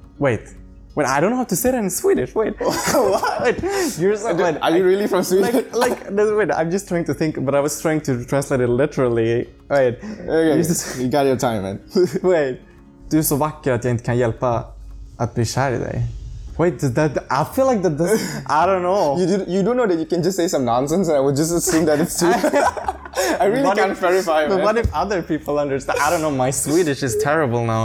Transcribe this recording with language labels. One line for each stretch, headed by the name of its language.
English: Wait, I don't know how to say that in Swedish. Wait. What? You're so, wait, are you really from Sweden? I'm just trying to think, but I was trying to translate it literally. Wait. Okay, you got your time, man. Wait.
Swedish: Du är så vacker att jag inte kan hjälpa att bli kär I dig.
English: Wait, I feel like that does, I don't know. You don't know that you can just say some nonsense and I would just assume that it's Swedish. I really can't verify, man. But what if other people understand? I don't know, my Swedish is terrible now.